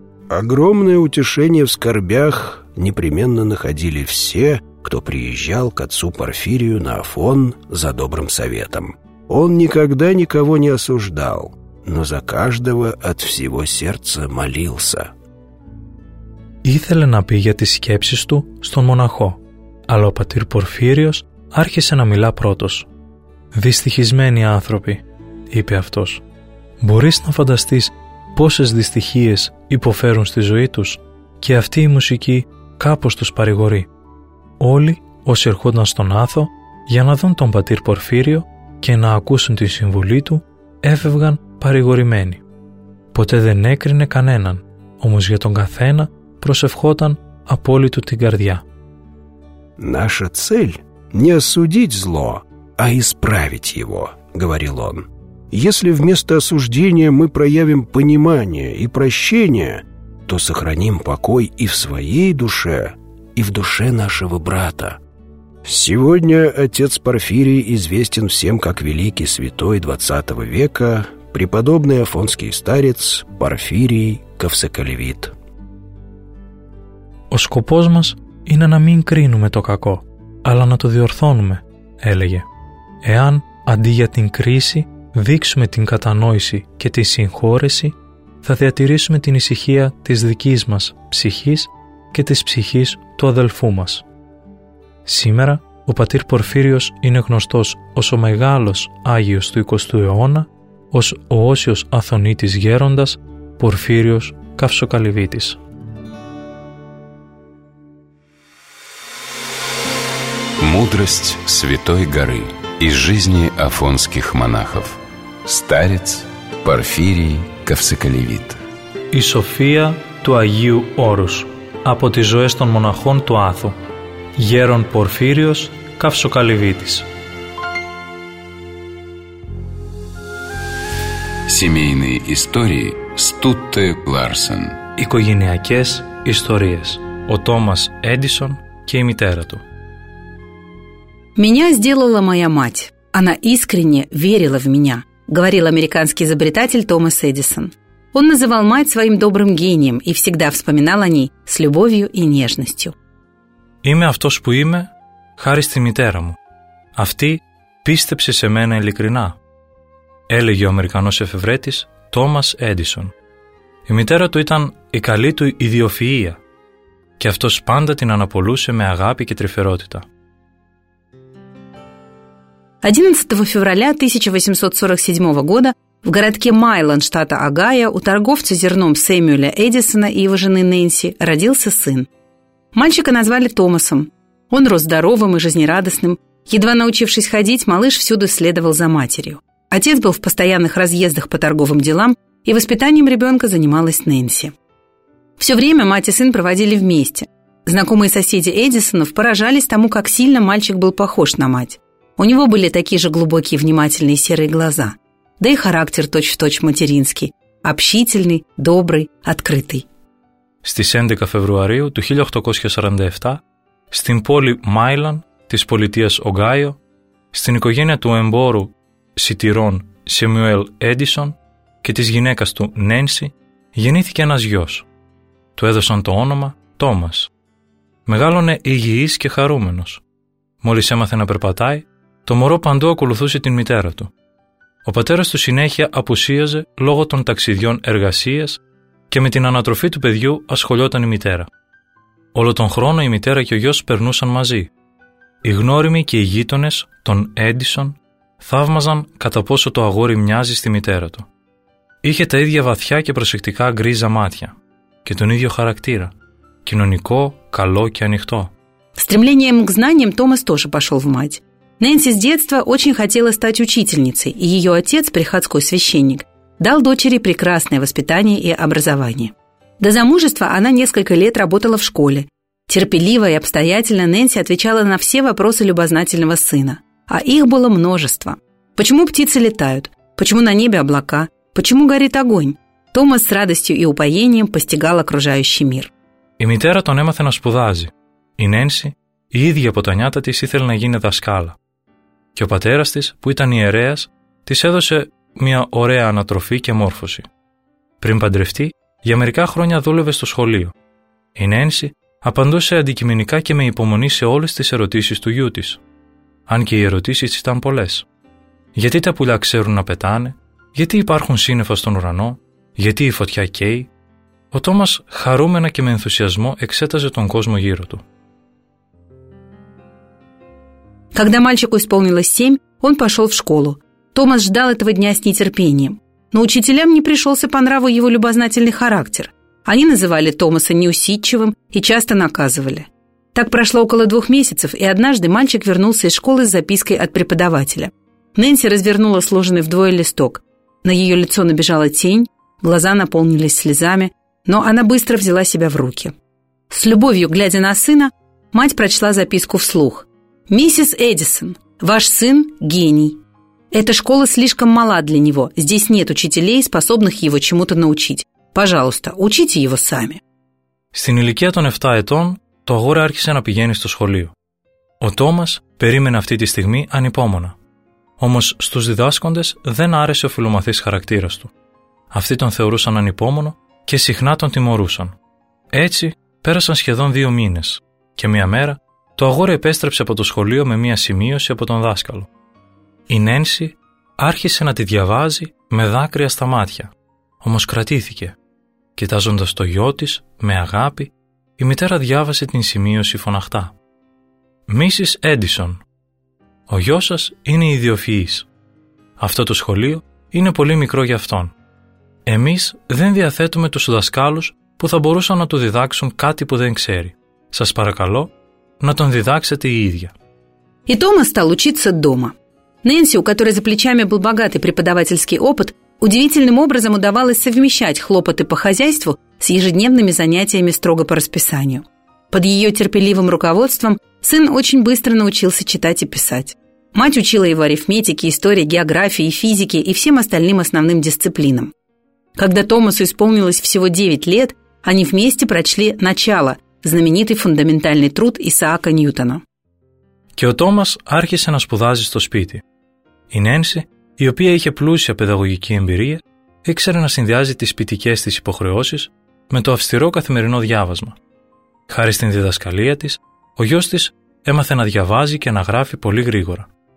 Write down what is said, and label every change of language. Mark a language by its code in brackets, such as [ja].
[ru] Огромное утешение в скорбях непременно находили все, кто приезжал к отцу Порфирию на Афон за добрым советом. Он никогда никого не осуждал, но за каждого от всего сердца молился. [el] Ήθελε να πει για τις σκέψεις του στον μοναχό, αλλά ο πατήρ Πορφύριος άρχισε να μιλά πρώτος. «Δυστυχισμένοι άνθρωποι», είπε αυτός. «Μπορείς να φανταστείς πόσες δυστυχίες υποφέρουν στη ζωή τους και αυτή η μουσική κάπως τους παρηγορεί. Όλοι όσοι ερχόταν στον Άθο για να δουν τον πατήρ Πορφύριο και να ακούσουν τη συμβουλή του έφευγαν παρηγορημένοι. Ποτέ δεν έκρινε κανέναν, όμως για τον καθένα προσευχόταν απόλυτο την καρδιά». [ru] «Наша цель не осудить зло, а исправить его», говорил он. «Если вместо осуждения мы проявим понимание и прощение, то сохраним покой и в своей душе, и в душе нашего брата. Сегодня отец Порфирий известен всем как великий святой XX века, преподобный афонский старец Порфирий Ковсоколевит». [el] «Ο σκοπός μας είναι να μην κρίνουμε το κακό, αλλά να το διορθώνουμε», έλεγε. «Εάν, αντί για την κρίση, δείξουμε την κατανόηση και τη συγχώρεση, θα διατηρήσουμε την ησυχία της δικής μας ψυχής και της ψυχής του αδελφού μας». Σήμερα, ο πατήρ Πορφύριος είναι γνωστός ως ο μεγάλος Άγιος του 20ου αιώνα, ως ο Όσιος Αθωνίτης Γέροντας, Πορφύριος Καυσοκαλυβίτης. [ru] Мудрость Святой Горы из жизни афонских монахов. Старец Порфирий Ковсоколевит. [el] И София του Αγίου Όρους από τις ζωές των μοναχών του Άθου. Γέρον Πορφύριος Ковσоколевитης. [ru] Семейные истории Стутте Ларсен. [el] Οικογενειακές ιστορίες. Ο Τόμας Έντισον και η μητέρα του. [ru] «Меня сделала моя мать. Она искренне верила в меня», — говорил американский изобретатель Томас Эдисон. Он называл мать своим добрым гением и всегда вспоминал о ней с любовью и нежностью. [el] «Είμαι αυτός που είμαι, χάρη στη μητέρα μου. Αυτή πίστεψε σε μένα ειλικρινά», έλεγε ο Αμερικανός εφευρέτης Τόμας Έντισον. Η μητέρα του ήταν η καλή του ιδιοφυΐα και αυτός πάντα την αναπολούσε με αγάπη και τρυφερότητα. [ru] 11 февраля 1847 года в городке Майлан штата Огайо у торговца зерном Сэмюэля Эдисона и его жены Нэнси родился сын. Мальчика назвали Томасом. Он рос здоровым и жизнерадостным. Едва научившись ходить, малыш всюду следовал за матерью. Отец был в постоянных разъездах по торговым делам, и воспитанием ребенка занималась Нэнси. Все время мать и сын проводили вместе. Знакомые соседи Эдисонов поражались тому, как сильно мальчик был похож на мать. У него были такие же глубокие, внимательные серые глаза. Да и характер точь-в-точь материнский. Общительный, добрый, открытый. [el] Στις 11 Φεβρουαρίου του 1847, στην πόλη Μάιλαν της πολιτείας Ογκάιο, στην οικογένεια του εμπόρου σιτηρών Σέμιουελ Έντισον και της γυναίκας του Νένσι, γεννήθηκε ένας γιος. Του έδωσαν το όνομα Τόμας. Μεγάλωνε υγιής και χαρούμενος. Μόλις έμαθε να περπατάει, το μωρό παντού ακολουθούσε την μητέρα του. Ο πατέρας του συνέχεια απουσίαζε λόγω των ταξιδιών εργασίας και με την ανατροφή του παιδιού ασχολιόταν η μητέρα. Όλο τον χρόνο η μητέρα και ο γιος περνούσαν μαζί. Οι γνώριμοι και οι γείτονες, τον Έντισον, θαύμαζαν κατά πόσο το αγόρι μοιάζει στη μητέρα του. Είχε τα ίδια βαθιά και προσεκτικά γκρίζα μάτια και τον ίδιο χαρακτήρα, κοινωνικό, καλό και ανοιχτό. [ru] Стремлением к знаниям Томас тоже пошел в мать. Нэнси с детства очень хотела стать учительницей, и ее отец, приходской священник, дал дочери прекрасное воспитание и образование. До замужества она несколько лет работала в школе. Терпеливо и обстоятельно Нэнси отвечала на все вопросы любознательного сына. А их было множество. Почему птицы летают? Почему на небе облака? Почему горит огонь? Томас с радостью и упоением постигал окружающий мир. [el] Η μητέρα τον έμαθε να σπουδάζει. Η Νένση, η ίδια από τα νιάτα της, ήθελε να γίνει δασκάλα. Και ο πατέρας της, που ήταν ιερέας, της έδωσε μια ωραία ανατροφή και μόρφωση. Πριν παντρευτεί, για μερικά χρόνια δούλευε στο σχολείο. Η Νένση απαντούσε αντικειμενικά και με υπομονή σε όλες τις ερωτήσεις του γιού της. Αν και οι ερωτήσεις ήταν πολλές. Γιατί τα πουλιά ξέρουν να πετάνε? Γιατί υπάρχουν σύννεφα στον ουρανό? Γιατί η φωτιά καίει? Ο Τόμας χαρούμενα και με ενθουσιασμό εξέταζε τον κόσμο γύρω του. [ru] Когда мальчику исполнилось 7, он пошел в школу. Томас ждал этого дня с нетерпением. Но учителям не пришелся по нраву его любознательный характер. Они называли Томаса неусидчивым и часто наказывали. Так прошло около 2 месяцев, и однажды мальчик вернулся из школы с запиской от преподавателя. Нэнси развернула сложенный вдвое листок. На ее лицо набежала тень, глаза наполнились слезами, но она быстро взяла себя в руки. С любовью, глядя на сына, мать прочла записку вслух. «Миссис Эдисон, ваш сын – гений. Эта школа слишком мала для него, здесь нет учителей, способных его чему-то научить. Пожалуйста, учите его сами». [el] Στην ηλικία των 7 ετών, το αγόρι άρχισε να πηγαίνει στο σχολείο. Ο Τόμας περίμενε αυτή τη στιγμή ανυπόμονα. Όμως στους διδάσκοντες δεν άρεσε ο φιλομαθής χαρακτήρας του. Αυτοί τον θεωρούσαν ανυπόμονο και συχνά τον τιμωρούσαν. Έτσι πέρασαν σχεδόν 2 μήνες και μια μέρα το αγόρι επέστρεψε από το σχολείο με μια σημείωση από τον δάσκαλο. Η Νένση άρχισε να τη διαβάζει με δάκρυα στα μάτια, όμως κρατήθηκε. Κοιτάζοντας το γιο της με αγάπη, η μητέρα διάβασε την σημείωση φωναχτά. «Μίσης Έντισον, ο γιος σας είναι ιδιοφυής. Αυτό το σχολείο είναι πολύ μικρό για αυτόν. Εμείς δεν διαθέτουμε τους δασκάλους που θα μπορούσαν να του διδάξουν κάτι που δεν ξέρει. Σας παρακαλώ να τον διδάξετε η ίδια». [ru] И Томас стал учиться дома. Нэнси, у которой за плечами был богатый преподавательский опыт, удивительным образом удавалось совмещать хлопоты по хозяйству с ежедневными занятиями строго по расписанию. Под ее терпеливым руководством сын очень быстро научился читать и писать. Мать учила его арифметике, истории, географии, физике и всем остальным основным дисциплинам. Когда Томасу исполнилось всего 9 лет, они вместе прочли «Начало», знаменитый фундаментальный труд Исаака Ньютона. [el] Και ο Томас άρχισε να σπουδάζει στο σπίτι. Η Νένση, η οποία είχε πλούσια παιδαγωγική εμπειρία, ήξερε να συνδυάζει τις σπιτικές της υποχρεώσεις με το αυστηρό καθημερινό διάβασμα. Χάρη στην διδασκαλία της, ο γιος της έμαθε να διαβάζει και να γράφει πολύ γρήγορα.